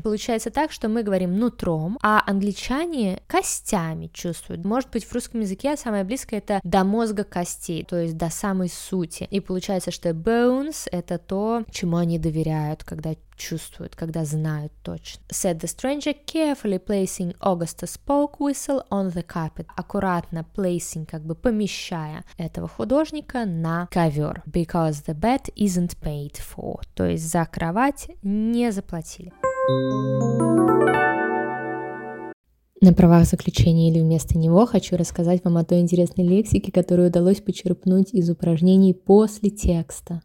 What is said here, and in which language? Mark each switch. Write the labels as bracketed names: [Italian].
[Russian] Получается так, что мы говорим нутром, а англичане костями чувствуют. Может быть, в русском языке самое близкое — это до мозга костей, то есть до самой сути. И получается, что bones — это то, чему они доверяют, когда чувствуют, когда знают точно. [English] Said the stranger, carefully placing Augusta's poke whistle on the carpet. [Russian] Аккуратно placing, как бы помещая этого художника на ковер. [English] Because the bed isn't paid for. [Russian] То есть за кровать не заплатили. На правах заключения или вместо него хочу рассказать вам о той интересной лексике, которую удалось почерпнуть из упражнений после текста.